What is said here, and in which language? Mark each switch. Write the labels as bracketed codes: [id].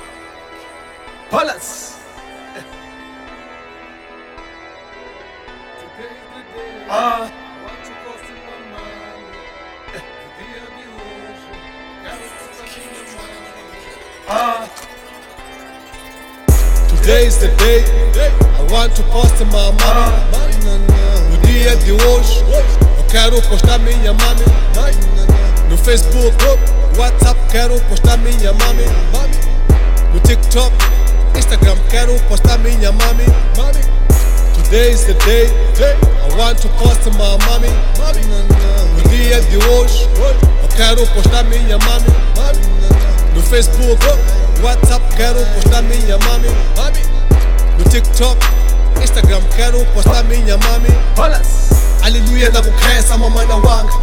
[en] Today's the day I want to post in my mind. [pt] No dia de hoje eu quero postar minha mami. No Facebook, WhatsApp, quero postar minha mami. No TikTok, Instagram, quero postar minha mami. [en] Today's the day I want to post in my mami. [pt] No dia de hoje eu quero postar minha mami. No Facebook, WhatsApp, quero postar minha mami. No TikTok, Instagram, quero postar minha mami. Aleluia, da concreça, mamãe da Wang.